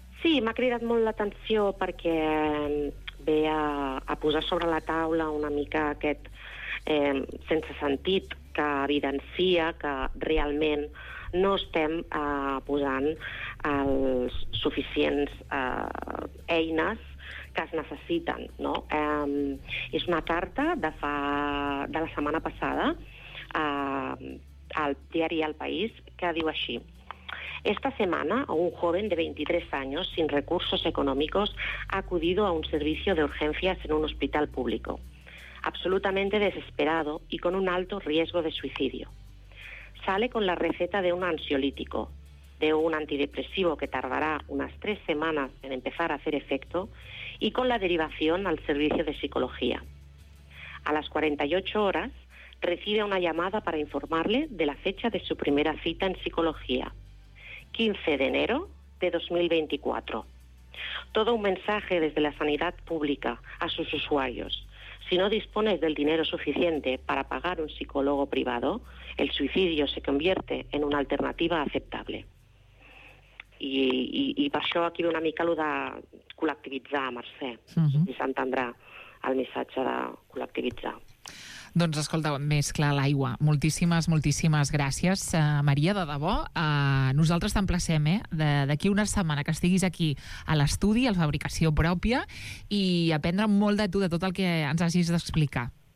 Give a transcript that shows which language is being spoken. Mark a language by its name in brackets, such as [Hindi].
[Catalan] Sí, m'ha cridat molt l'atenció perquè ve a posar sobre la taula una mica aquest sense sentit que evidencia que realment no estem posant els suficients eines que es necessiten, no? És una carta de la setmana passada al diari El País, que diu així: [Spanish] esta semana un joven de 23 años sin recursos económicos ha acudido a un servicio de urgencias en un hospital público, absolutamente desesperado y con un alto riesgo de suicidio. Sale con la receta de un ansiolítico, de un antidepresivo que tardará unas 3 semanas en empezar a hacer efecto, y con la derivación al servicio de psicología. A las 48 horas recibe una llamada para informarle de la fecha de su primera cita en psicología, 15 de enero de 2024. Todo un mensaje desde la sanidad pública a sus usuarios. Si no dispones del dinero suficiente para pagar un psicólogo privado, el suicidio se convierte en una alternativa aceptable. [Catalan] I per això aquí ve una mica el de col·lectivitzar, Mercè. Uh-huh. I s'entendrà el missatge de col·lectivitzar. Doncs escolta, més clar l'aigua. Moltíssimes, moltíssimes gràcies, Maria, de debò. Nosaltres t'emplacem, d'aquí una setmana que estiguis aquí a l'estudi, a la Fabricació Pròpia, i aprendre molt de tu, de tot el que ens hagis d'explicar.